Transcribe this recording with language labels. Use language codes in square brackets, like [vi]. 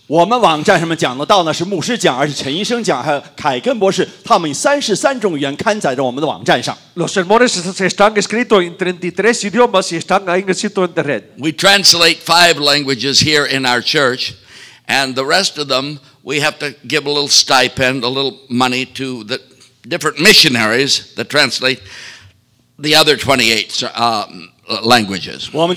[zh] 我们网站上面讲的道呢，是牧师讲，而且陈医生讲，还有凯根博士，他们以33种语言刊载在我们的网站上。 [es] Los sermones están escritos en 33 idiomas y están ahí en el sitio de internet. [en] We translate 5 languages here in our church, and the rest of them, we have to give a little stipend, a little money to the different missionaries that translate the other 28 languages.